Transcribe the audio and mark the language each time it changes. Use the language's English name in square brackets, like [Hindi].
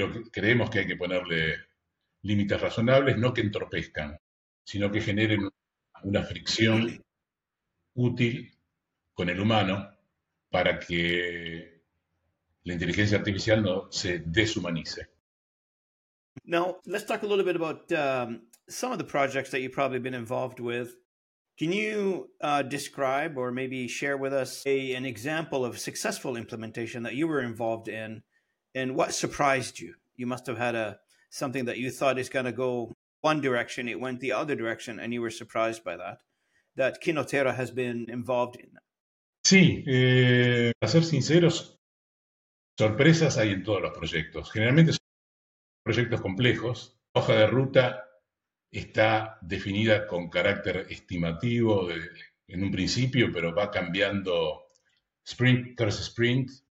[Spanish] Creemos que hay que ponerle límites razonables, no que entorpezcan, sino que generen una fricción útil con el humano para que la inteligencia artificial no se deshumanice. [English] Now, let's talk a little bit about some of the projects that you've probably been involved with. Can you describe or maybe share with us an example of successful implementation that you were involved in and what surprised you? You must have had something that you thought is going to go one direction, it went the other direction, and you were surprised by that Kinotera has been involved in that. [Spanish] Sí, a ser sinceros, sorpresas hay en todos los proyectos. Generalmente son proyectos complejos. La hoja de ruta está definida con carácter estimativo en un principio, pero va cambiando sprint tras sprint.